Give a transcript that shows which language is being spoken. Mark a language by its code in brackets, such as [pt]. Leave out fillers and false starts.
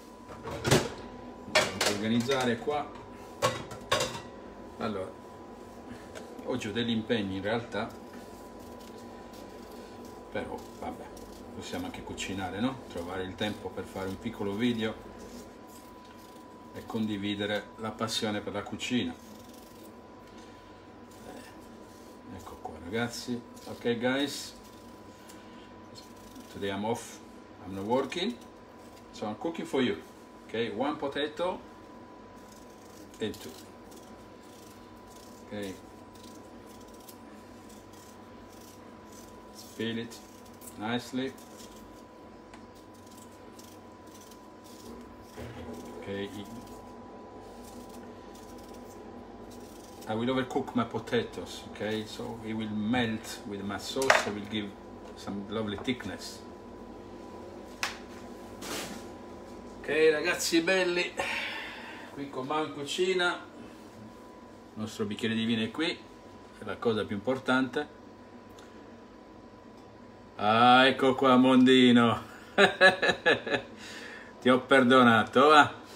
[it] Andiamo a organizzare qua. Allora, oggi ho degli impegni in realtà. Però vabbè, possiamo anche cucinare, no? Trovare il tempo per fare un piccolo video e condividere la passione per la cucina. Ecco qua ragazzi. [en] Ok guys, today I'm off, I'm not working, it's So I'm cooking for you. Okay, one potato and two. Okay. Peel it nicely. Okay. I will overcook my potatoes, okay? So it will melt with my sauce and will give some lovely thickness. [it] Okay, ragazzi belli, qui con Mau in cucina. Il nostro bicchiere di vino è qui, è la cosa più importante. Ah, ecco qua Mondino, ti ho perdonato, va?